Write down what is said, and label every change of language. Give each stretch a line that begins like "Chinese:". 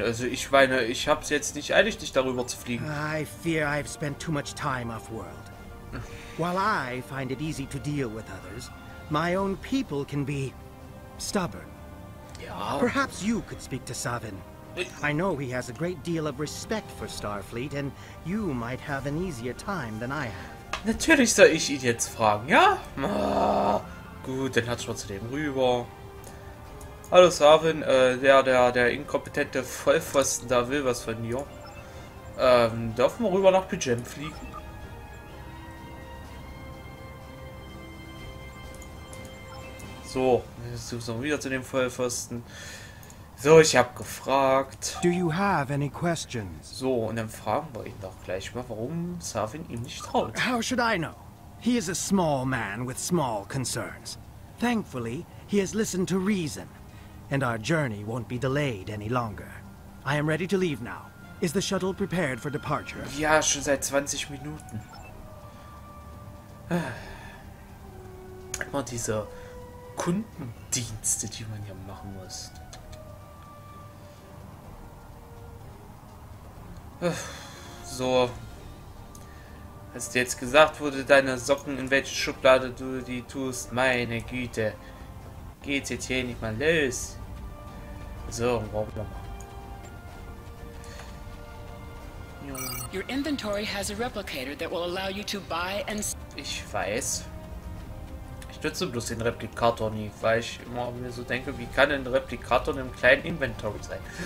German: Also ich meine, ich hab's jetzt nicht eilig, dich darüber zu fliegen.
English: I fear I've spent too much time off-world. While I find it easy to deal with others, my own people can be stubborn.
German: Ja.
English: Perhaps you could speak to Savin. I know he has a great deal of respect for Starfleet, and you might have an easier time than I have.
German: Natürlich soll ich ihn jetzt fragen, ja? Gut, dann hat's mal zu dem rüber. Hallo Savin, der inkompetente Vollpfosten da will was von dir. Dürfen wir rüber nach Pigeon fliegen? So, jetzt müssen wir wieder zu dem Vollpfosten. So, ich hab gefragt.
English: Do you have any questions?
German: So, und dann fragen wir ihn doch gleich mal, warum Savin ihm nicht traut.
English: How should I know? He is a small man with small concerns. Thankfully, he has listened to reason. And our journey won't be delayed any longer. I am ready to leave now. Is the shuttle prepared for departure?
German: Ja, schon seit 20 Minuten. Immer diese Kundendienste, die man hier machen muss. So. Hast du jetzt gesagt, wo du deine Socken in welche Schublade du die tust? Meine Güte. Geht's jetzt hier nicht mal los? So,
English: your inventory has a replicator that will allow you to buy and.
German: Ich weiß. Ich nutze bloß den Replikator nie, weil ich immer mir so denke, wie kann ein Replikator in einem kleinen Inventory sein?